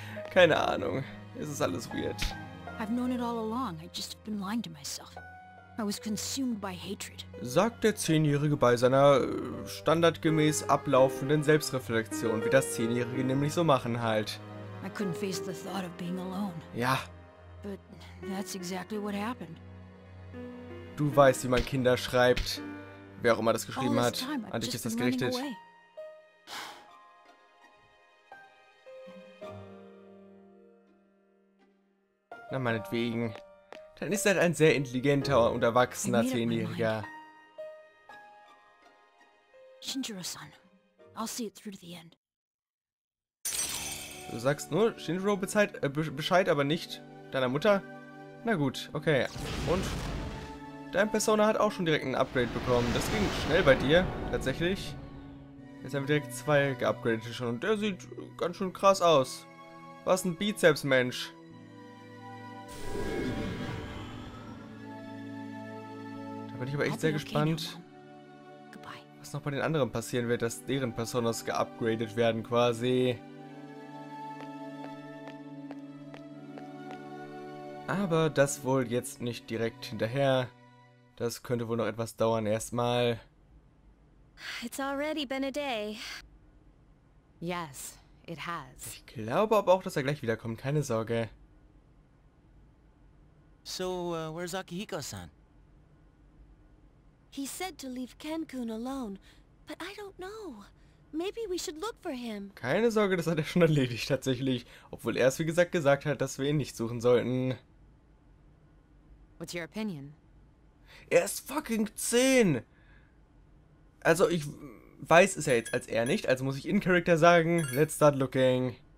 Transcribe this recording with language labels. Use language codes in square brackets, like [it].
[de] Keine Ahnung. Es ist alles weird. [en] I've known it all along. I just been lying to myself. I was consumed by hatred. [de] Sagt der 10-Jährige bei seiner standardgemäß ablaufenden Selbstreflexion, wie das 10-Jährige nämlich so machen halt. [en] I couldn't face the thought of being alone. [de] Ja. [en] But that's exactly what happened. [de] Du weißt, wie man Kinder schreibt. Wer auch immer das geschrieben hat, an dich ist das gerichtet. Na meinetwegen. Dann ist er ein sehr intelligenter und erwachsener 10-Jähriger. [en] Shinjiro-san, I'll see it through to the end. [de] Du sagst nur Shinjiro Bescheid, aber nicht deiner Mutter? Na gut, okay. Und dein Persona hat auch schon direkt ein Upgrade bekommen. Das ging schnell bei dir, tatsächlich. Jetzt haben wir direkt zwei geupgradet schon und der sieht ganz schön krass aus. Was ein Bizeps-Mensch. Da bin ich aber echt sehr gespannt, was noch bei den anderen passieren wird, dass deren Personas geupgradet werden quasi. Aber das wohl jetzt nicht direkt hinterher. Das könnte wohl noch etwas dauern erstmal. [en] It's already been a day. Yes, it has. [de] Ich glaube aber auch, dass er gleich wiederkommt, keine Sorge. [en] So, where's Akihiko-san? He said to leave Ken-kun alone, but I don't know. Maybe we should look for him. [de] Keine Sorge, das hat er schon erledigt tatsächlich, obwohl er es wie gesagt gesagt hat, dass wir ihn nicht suchen sollten. [en] What's your opinion? [de] Er ist fucking 10! Also, ich weiß es ja jetzt als er nicht, also muss ich in Character sagen, [en] let's start looking.